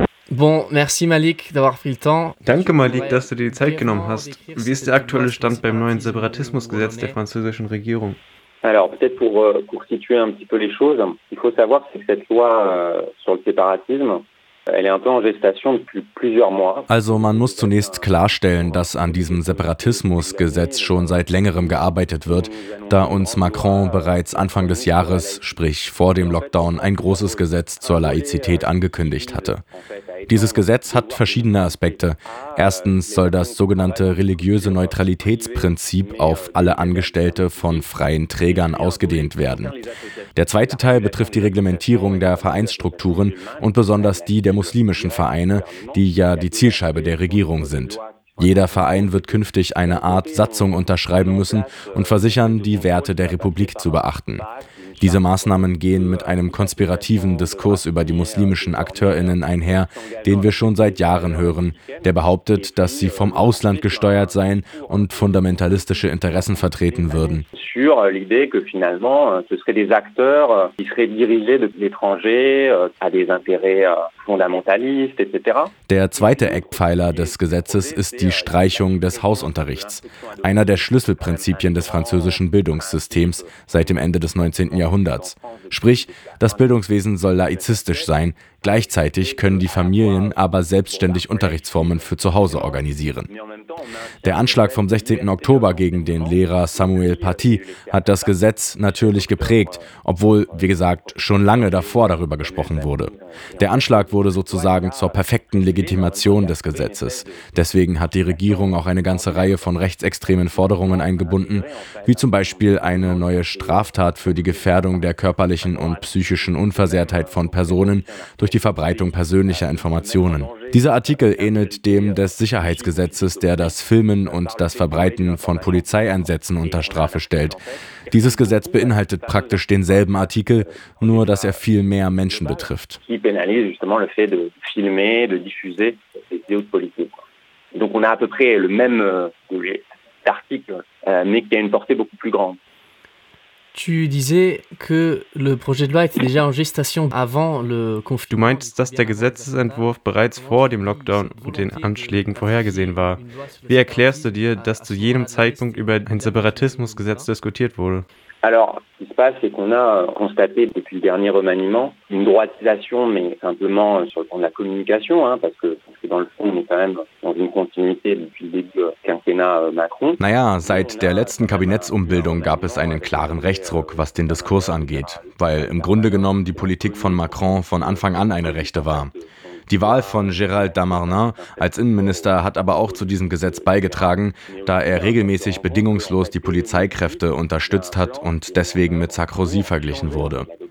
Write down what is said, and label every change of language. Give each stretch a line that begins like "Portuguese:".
French: Bon, merci Malik d'avoir pris le temps.
German: Danke Malik, dass du dir die Zeit genommen hast. Wie ist der aktuelle Stand beim neuen Separatismusgesetz der französischen Regierung?
French: Alors peut-être pour situer un petit peu les choses, il faut savoir que cette loi sur le séparatisme, elle est un peu en gestation depuis plusieurs mois.
German: Also man muss zunächst klarstellen, dass an diesem Separatismusgesetz schon seit längerem gearbeitet wird, da uns Macron bereits Anfang des Jahres, sprich vor dem Lockdown, ein großes Gesetz zur Laizität angekündigt hatte. Dieses Gesetz hat verschiedene Aspekte. Erstens soll das sogenannte religiöse Neutralitätsprinzip auf alle Angestellte von freien Trägern ausgedehnt werden. Der zweite Teil betrifft die Reglementierung der Vereinsstrukturen und besonders die der muslimischen Vereine, die ja die Zielscheibe der Regierung sind. Jeder Verein wird künftig eine Art Satzung unterschreiben müssen und versichern, die Werte der Republik zu beachten. Diese Maßnahmen gehen mit einem konspirativen Diskurs über die muslimischen AkteurInnen einher, den wir schon seit Jahren hören, der behauptet, dass sie vom Ausland gesteuert seien und fundamentalistische Interessen vertreten würden.
French: Sur l'idée que finalement ce seraient des acteurs qui seraient dirigés de l'étranger à des intérêts fondamentalistes, etc.
German: Der zweite Eckpfeiler des Gesetzes ist die Streichung des Hausunterrichts, einer der Schlüsselprinzipien des französischen Bildungssystems seit dem Ende des 19. Jahrhunderts. Sprich, das Bildungswesen soll laizistisch sein, gleichzeitig können die Familien aber selbstständig Unterrichtsformen für zu Hause organisieren. Der Anschlag vom 16. Oktober gegen den Lehrer Samuel Paty hat das Gesetz natürlich geprägt, obwohl, wie gesagt, schon lange davor darüber gesprochen wurde. Der Anschlag wurde sozusagen zur perfekten Legitimation des Gesetzes. Deswegen hat die Regierung auch eine ganze Reihe von rechtsextremen Forderungen eingebunden, wie zum Beispiel eine neue Straftat für die Gefährdung der körperlichen und psychischen Unversehrtheit von Personen durch die Verbreitung persönlicher Informationen. Dieser Artikel ähnelt dem des Sicherheitsgesetzes, der das Filmen und das Verbreiten von Polizeieinsätzen unter Strafe stellt. Dieses Gesetz beinhaltet praktisch denselben Artikel, nur dass er viel mehr Menschen betrifft. Die penalisiert
French: justement le fait de filmer, de diffuser des vidéos de police. Donc on a à peu près le même sujet d'article, mais qui a une portée beaucoup plus grande. Tu disais que le projet de loi était déjà en gestation avant le conflit.
German: Du meintest, dass der Gesetzesentwurf bereits vor dem Lockdown und den Anschlägen vorhergesehen war. Wie erklärst du dir, dass zu jenem Zeitpunkt über ein Separatismusgesetz diskutiert wurde?
French: Alors, ce qui se passe, c'est qu'on a constaté depuis le dernier remaniement une droitisation, mais simplement sur le plan de la communication, hein, parce que dans le fond, on est quand même dans une continuité depuis le début du quinquennat Macron.
German: Naja, seit der letzten Kabinettsumbildung gab es einen klaren Rechtsruck, was den Diskurs angeht, weil im Grunde genommen die Politik von Macron von Anfang an eine rechte war. Die Wahl von Gérald Darmanin als Innenminister hat aber auch zu diesem Gesetz beigetragen, da er regelmäßig bedingungslos die Polizeikräfte unterstützt hat und deswegen mit Sarkozy verglichen wurde.